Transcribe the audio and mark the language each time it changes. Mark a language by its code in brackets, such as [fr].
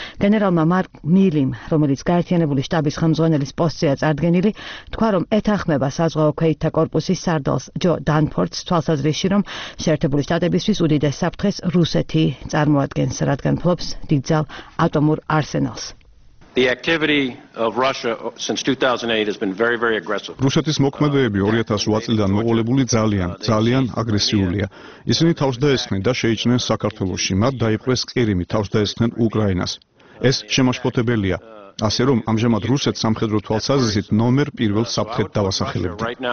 [ka] გენერალმა მარკ მილიმ, რომელიც გაერთიანებული შტაბის ხელმძღვანელის პოსტზეა წარდგენილი, თქვა, რომ ეთანხმება საზღვაო ქვეითთა კორპუსის სარდალს ჯო დანფორდს თვალსაზრისში, რომ შეერთებული შტატებისთვის უდიდეს საფრთხეს რუსეთი წარმოადგენს, რადგან ფლობს დიდ ძალ ატომურ არსენალს. [en] The activity of Russia since 2008 has been very very aggressive. [ka] რუსეთის მოქმედებები 2008 წლიდან მოყოლებული ძალიან ძალიან აგრესიულია. ისინი თავს დაესხნენ და შეიჭრნენ საქართველოში, მათ დაიპყრეს კირიმი, თავს დაესხნენ უკრაინას. ეს შემაშფოთებელია. ასე რომ ამჟამად რუსეთ სამხედრო თვალსაზრისით ნომერ პირველ საფრთხედ დავასახელებდა.